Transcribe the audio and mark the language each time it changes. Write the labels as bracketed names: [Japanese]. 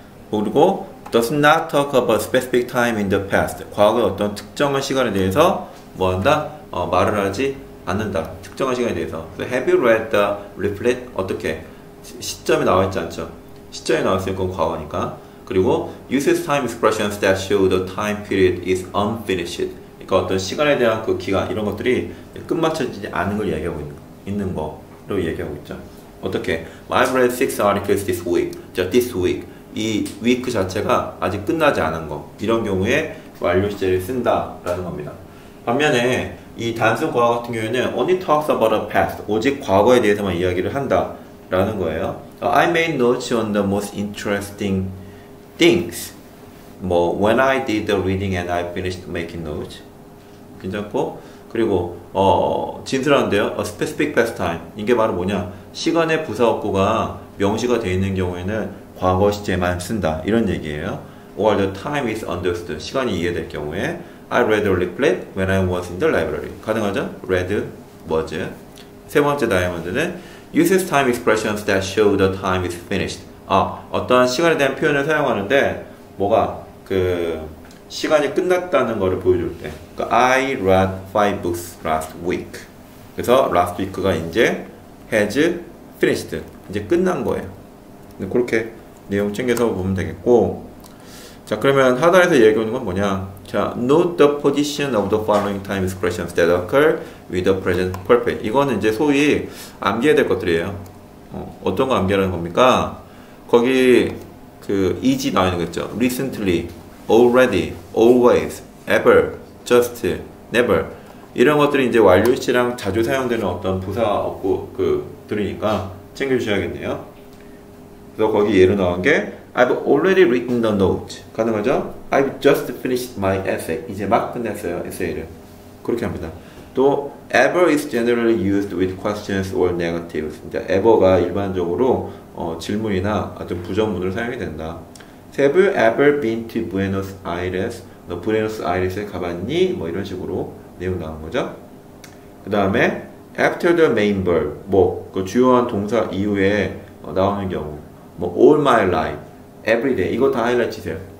[Korean] 그리고 [English] does not talk about specific time in the past. [Korean] 과거의 어떤 특정한 시간에 대해서 뭐 한다? 말을 하지 않는다. 특정한 시간에 대해서. [English] So have you read the leaflet? [Korean] 어떻게? 시점이 나와 있지 않죠? 시점이 나왔으니까 그건 과거니까. 그리고 [English] uses time expressions that show the time period is unfinished. [Korean] 그러니까 어떤 시간에 대한 그 기간 이런 것들이 끝마쳐지지 않은 걸 얘기하고 있는 거로 얘기하고 있죠. 어떻게? [English] I've read 6 articles this week. This week. [Korean] 이 week 자체가 아직 끝나지 않은 거. 이런 경우에 완료 시제를 쓴다라는 겁니다. 반면에 이 단순 과거 같은 경우에는 [English] only talks about a past. [Korean] 오직 과거에 대해서만 이야기를 한다라는 거예요. [English] I made notes on the most interesting things. 뭐 when I did the reading and I finished making notes. [Korean] 괜찮고. 그리고 진술한데요. [English] A specific past time. [Korean] 이게 바로 뭐냐? 시간의 부사 업구가 명시가 되어 있는 경우에는 과거 시제만 쓴다. 이런 얘기예요. [English] Or the time is understood. [Korean] 시간이 이해될 경우에 [English] I read a leaflet when I was in the library. [Korean] 가능하죠? [English] Read was. [Korean] 세 번째 다이아몬드는 [English] uses time expressions that show the time is finished. [Korean] 어떤 시간에 대한 표현을 사용하는데 뭐가 그 시간이 끝났다는 거를 보여줄 때. [English] 그 I read 5 books last week. [Korean] 그래서 [English] last week가 이제 has finished. [Korean] 이제 끝난 거예요. 그렇게 내용 챙겨서 보면 되겠고. 자, 그러면 하단에서 얘기하는 건 뭐냐. [English] 자, note the position of the following time expressions that occur with the present perfect. [Korean] 이거는 이제 소위 암기해야 될 것들이에요. 어떤 거 암기하는 겁니까? 거기 그 is 나와 있는 거 있죠. [English] recently, already, always, ever, just, never. [Korean] 이런 것들이 이제 완료시랑 자주 사용되는 어떤 부사 없고 그 들으니까 챙겨주셔야겠네요. 그래서 거기 예로 나온 게 [English] I've already written the note. [Korean] 가능하죠? [English] I've just finished my essay. [Korean] 이제 막 끝냈어요, 에세이를. 그렇게 합니다. [English] 또 ever is generally used with questions or negatives. [Korean] 이제 ever가 일반적으로 질문이나 어떤 부정문으로 사용이 된다. [English] Have you ever been to Buenos Aires? [Korean] 너 부에노스 아이레스에 가봤니? 뭐 이런 식으로 내용 나온 거죠. 그 다음에 [English] after the main verb, [Korean] 뭐 그 주요한 동사 이후에 나오는 경우 뭐 [English] all my life, every day [Korean] 이거 다 하이라이트 주세요.